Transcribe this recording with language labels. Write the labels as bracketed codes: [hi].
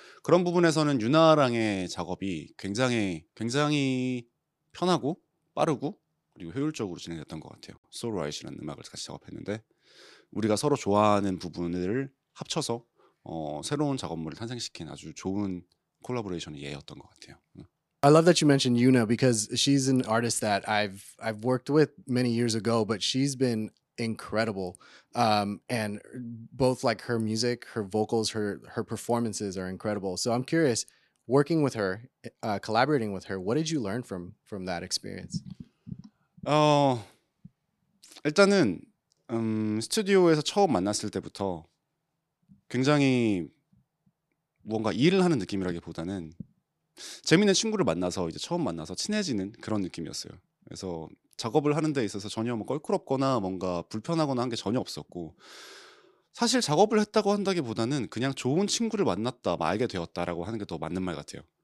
[ko] 그런 부분에서는 유나랑의 작업이 굉장히 굉장히 편하고 빠르고 그리고 효율적으로 진행됐던 것 같아요. 소울라이트라는 음악을 같이 작업했는데 우리가 서로 좋아하는 부분을 합쳐서 새로운 작업물을 탄생시킨 아주 좋은 콜라보레이션의 예였던 것 같아요. [en] I love that you mentioned Yuna because she's an artist that I've worked with many years ago, but she's been incredible. And both like her music, her vocals, her performances are incredible. So I'm curious, working with her, collaborating with her, what did you learn from that experience? [ko] 일단은 스튜디오에서 처음 만났을 때부터 굉장히 뭔가 일을 하는 느낌이라기보다는 재밌는 친구를 만나서 이제 처음 만나서 친해지는 그런 느낌이었어요. 그래서 작업을 하는 데 있어서 전혀 뭐 껄끄럽거나 뭔가 불편하거나 한 게 전혀 없었고 사실 작업을 했다고 한다기보다는 그냥 좋은 친구를 만났다, 알게 되었다라고 하는 게 더 맞는 말 같아요.